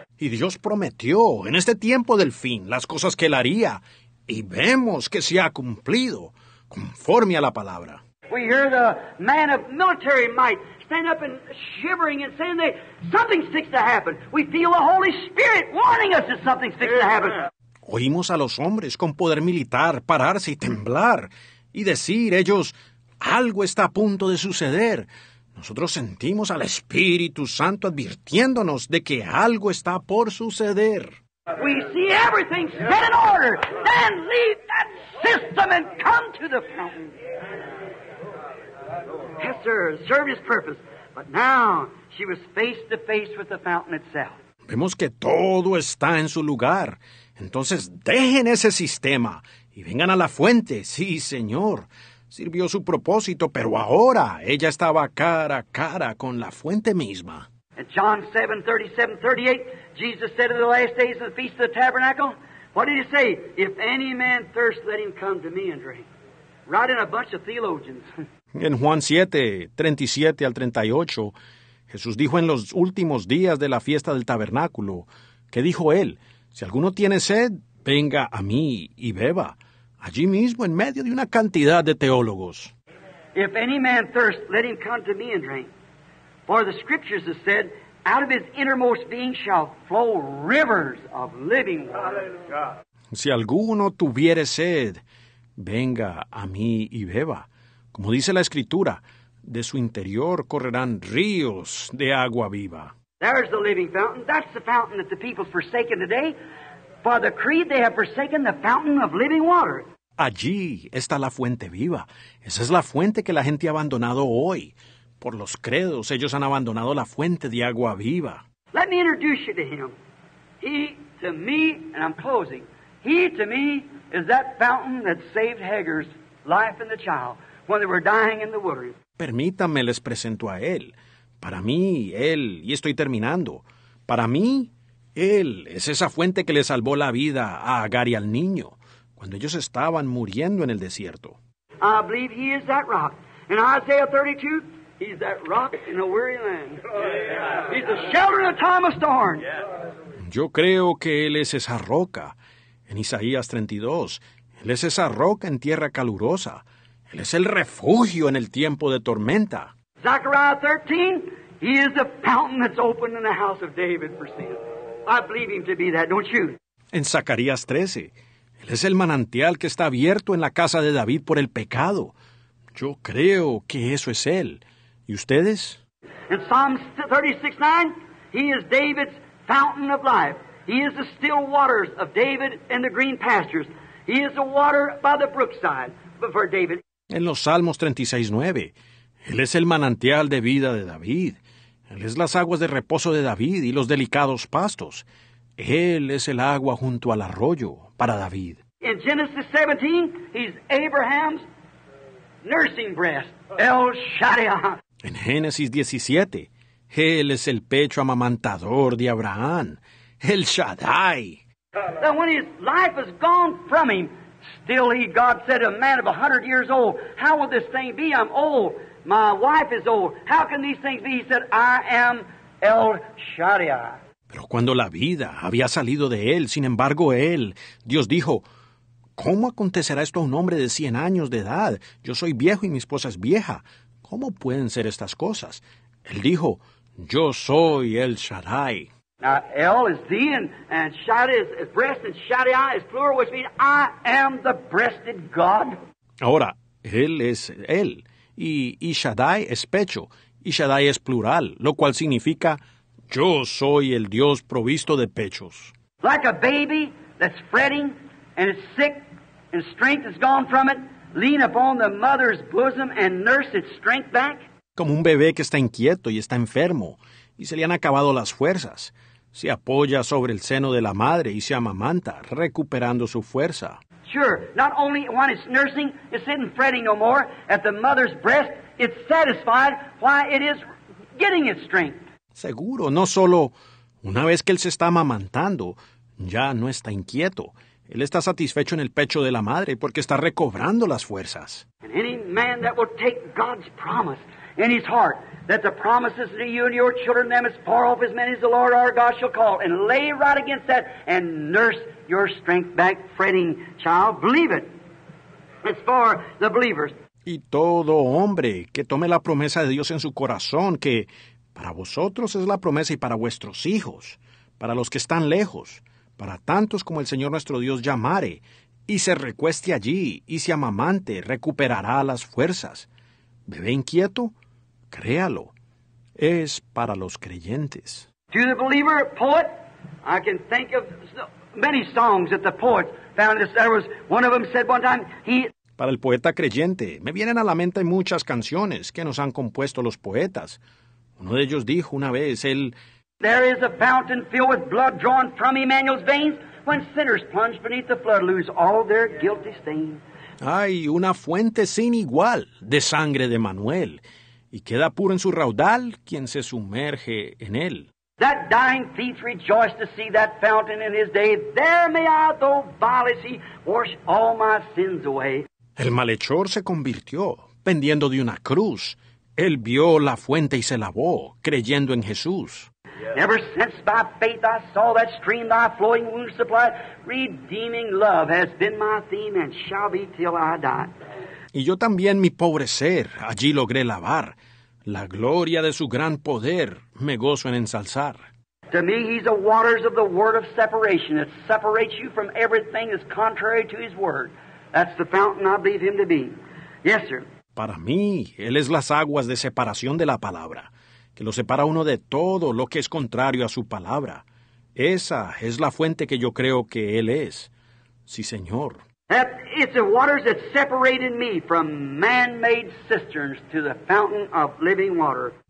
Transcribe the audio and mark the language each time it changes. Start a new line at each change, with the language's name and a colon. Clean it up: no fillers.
Spanish: Y Dios prometió en este tiempo del fin las cosas que él haría, y vemos que se ha cumplido conforme a la palabra.
English: We hear the man of military might stand up and shivering and saying that something's fixed to happen. We feel the Holy Spirit warning us that something's fixed to happen.
Spanish: Oímos a los hombres con poder militar pararse y temblar y decir ellos, algo está a punto de suceder. Nosotros sentimos al Espíritu Santo advirtiéndonos de que algo está por suceder.
English: We see everything set in order. Then leave that system and come to the fountain. Yes, sir, serve his purpose. But now she was face to face with the fountain itself.
Spanish: Vemos que todo está en su lugar. Entonces dejen ese sistema y vengan a la fuente. Sí, señor. Sirvió su propósito, pero ahora ella estaba cara a cara con la fuente misma.
English: In John 7:37-38, Jesus said in the last days of the feast of the tabernacle, what did he say? If any man thirst, let him come to me and drink. Right in a bunch of theologians.
Spanish: En Juan 7:37-38, Jesús dijo en los últimos días de la fiesta del tabernáculo, que dijo él, Si alguno tiene sed, venga a mí y beba, allí mismo en medio de una cantidad de teólogos.
English: If any man thirst, let him come to me and drink. For the Scriptures have said, out of his innermost being shall flow rivers of living water.
Spanish: Si alguno tuviere sed, venga a mí y beba. Como dice la Escritura, de su interior correrán ríos de agua viva.
English: There's the living fountain. That's the fountain that the people forsaken today. By the creed they have forsaken the fountain of living water.
Spanish: Allí está la fuente viva. Esa es la fuente que la gente ha abandonado hoy. Por los credos, ellos han abandonado la fuente de agua viva.
English: Let me introduce you to him. He to me, and I'm closing. He to me is that fountain that saved Hagar's life and the child when they were dying in the wilderness.
Spanish: Permítanme les presento a él. Para mí, él, y estoy terminando. Para mí, él es esa fuente que le salvó la vida a Agar y al niño cuando ellos estaban muriendo en el desierto.
English: I believe he is that rock. In Isaiah 32, he's that rock in a weary land. He's the shelter in a time of storm.
Spanish: Yo creo que él es esa roca. En Isaías 32, él es esa roca en tierra calurosa. Él es el refugio en el tiempo de tormenta.
English: Zechariah 13, he is the fountain that's open in the house of David for sin. I believe him to be that, don't you?
Spanish: En Zacarías 13, él es el manantial que está abierto en la casa de David por el pecado. Yo creo que eso es él. ¿Y ustedes?
English: In Psalms 36, 9, he is David's fountain of life. He is the still waters of David and the green pastures. He is the water by the brookside before David.
Spanish: En los Salmos 36, 9, él es el manantial de vida de David. Él es las aguas de reposo de David y los delicados pastos. Él es el agua junto al arroyo para David.
English: In Genesis 17, he's Abraham's nursing breast, El Shaddai.
Spanish: En Génesis 17, él es el pecho amamantador de Abraham, El Shaddai.
English: Now when his life is gone from him, still he, God said, a man of 100 years old, how will this thing be? I'm old. My wife is old. How can these things be? He said, I am El Shaddai.
Spanish: Pero cuando la vida había salido de él, sin embargo, él, Dios dijo, ¿cómo acontecerá esto a un hombre de 100 años de edad? Yo soy viejo y mi esposa es vieja. ¿Cómo pueden ser estas cosas? Él dijo, yo soy El Shaddai.
English: Now, El is thee, and Shaddai is breast, and Shaddai is plural, which means I am the breasted God.
Spanish: Ahora, él es él. Y Shaddai es pecho, y Shaddai es plural, lo cual significa, yo soy el Dios provisto de pechos.
English: Like a baby that's fretting, and is sick, and strength is gone from it, lean upon the mother's bosom and nurse its strength back.
Spanish: Como un bebé que está inquieto y está enfermo, y se le han acabado las fuerzas, se apoya sobre el seno de la madre y se amamanta, recuperando su fuerza.
English: Sure, not only when it's nursing, it's sitting fretting no more. At the mother's breast, it's satisfied why it is getting its strength.
Spanish: Seguro, no solo una vez que él se está amamantando, ya no está inquieto. Él está satisfecho en el pecho de la madre porque está recobrando las fuerzas.
English: And any man that will take God's promise in his heart, that the promises to you and your children, them as far off as many as the Lord our God shall call, and lay right against that and nurse your strength back, fretting child, believe it. It's for the believers.
Spanish: Y todo hombre que tome la promesa de Dios en su corazón, que para vosotros es la promesa y para vuestros hijos, para los que están lejos, para tantos como el Señor nuestro Dios llamare, y se recueste allí y se amamante, recuperará las fuerzas. Bebé inquieto, créalo, es para los creyentes.
English: To the believer, poet, I can think of many songs that the poet found. There was one of them said one time, he...
Spanish: Para el poeta creyente, me vienen a la mente muchas canciones que nos han compuesto los poetas. Uno de ellos dijo una vez, él...
English: There is a fountain filled with blood drawn from Emmanuel's veins. When sinners plunge beneath the flood, lose all their guilty stains.
Spanish: Hay una fuente sin igual de sangre de Manuel, y queda puro en su raudal quien se sumerge en él.
English: That dying thief rejoiced to see that fountain in his day. There may I, though vile, see, wash all my sins away.
Spanish: El malhechor se convirtió, pendiendo de una cruz. Él vio la fuente y se lavó, creyendo en Jesús.
English: Ever since by faith I saw that stream, thy flowing womb supplied, redeeming love has been my theme and shall be till I die.
Spanish: Y yo también mi pobre ser allí logré lavar. La gloria de su gran poder me gozo en ensalzar.
English: To me, he's the waters of the word of separation. It separates you from everything that's contrary to his word. That's the fountain I believe him to be. Yes, sir.
Spanish: Para mí, él es las aguas de separación de la palabra, que lo separa uno de todo lo que es contrario a su palabra. Esa es la fuente que yo creo que él es. Sí, señor.
English: That it's the waters that separated me from man-made cisterns to the fountain of living water.